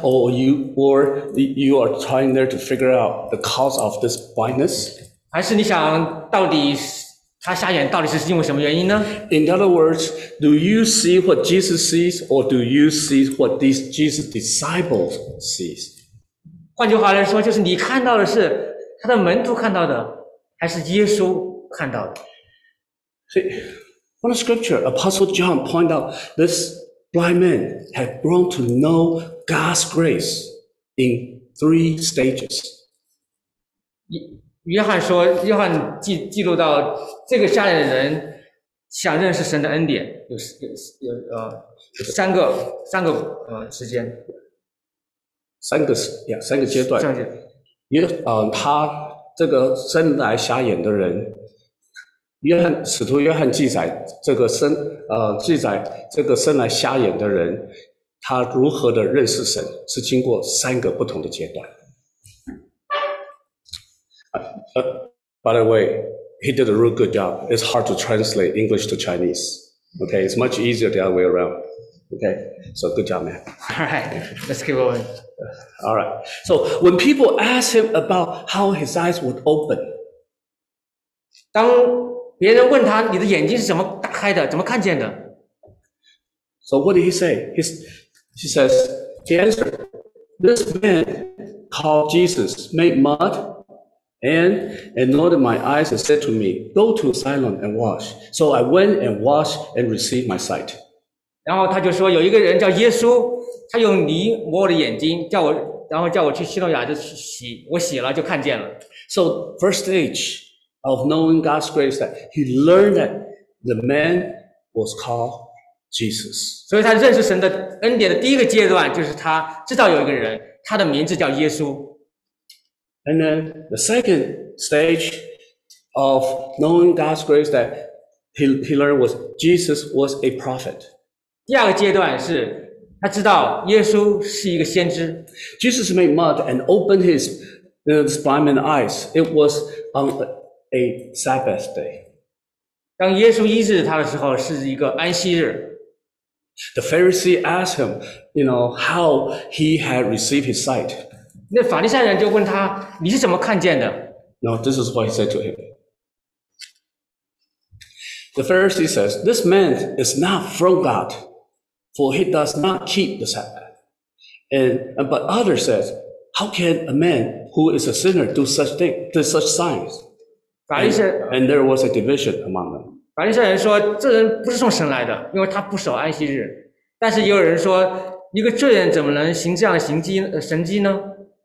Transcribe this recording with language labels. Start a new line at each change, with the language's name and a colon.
English: ？Or you are trying there to figure out the cause of this blindness?
Chinese: 还是你想到底？他瞎眼到底是因为什么原因呢
English: ？In other words, do you see what Jesus sees, or do you see what these Jesus disciples sees?
Chinese: 换句话来说，就是你看到的是他的门徒看到的，还是耶稣看到的
English: ？See, one scripture, Apostle John point out this blind man had grown to know God's grace in three stages.
Chinese: 约翰说，约翰记录到这个瞎眼的人想认识神的恩典，有三个阶段。他这个生来瞎眼的人，使徒约翰记载这个生来瞎眼的人，他如何的认识神，是经过三个不同的阶段。
English: By the way, he did a real good job. It's hard to translate English to Chinese. Okay, it's much easier the other way around. Okay, so good job, man. Alright, let's keep going. Alright, so when people ask him about how his eyes would open, 当别人问他你的眼睛是怎么打开的，怎么看见的？So what did he say? He says, "This man called Jesus made mud." And anointed my eyes and said to me, Go to Siloam and wash. So I went and washed and received my sight.
Chinese: 然后他就说有一个人叫耶稣，他用泥抹我的眼睛，叫我去西诺亚就洗，我洗了就看见了。
English: So first stage of knowing God's grace that he learned that the man was called Jesus.
Chinese: 所以他认识神的恩典的第一个阶段就是他知道有一个人，他的名字叫耶稣。
English: And then the second stage of knowing God's grace that he learned was Jesus was a prophet.
Chinese: 第二个阶段是他知道耶稣是一个先知。
English: Jesus made mud and opened his blind man's eyes. It was on a Sabbath day.
Chinese: 当耶稣医治他的时候是一个安息日。
English: The Pharisee asked him, you know, how he had received his sight.
Chinese: 那法利赛人就问他：“你是怎么看见的
English: ？”No, this is what he said to him. The Pharisee says, "This man is not from God, for he does not keep the Sabbath." And but others says, "How can a man who is a sinner do such thing, do such signs?"
Chinese: 法利赛
English: and there was a division among them.
Chinese: 法利赛人说：“这人不是从神来的，因为他不守安息日。” 但是也有人说：“一个罪人怎么能行这样的神迹呢？”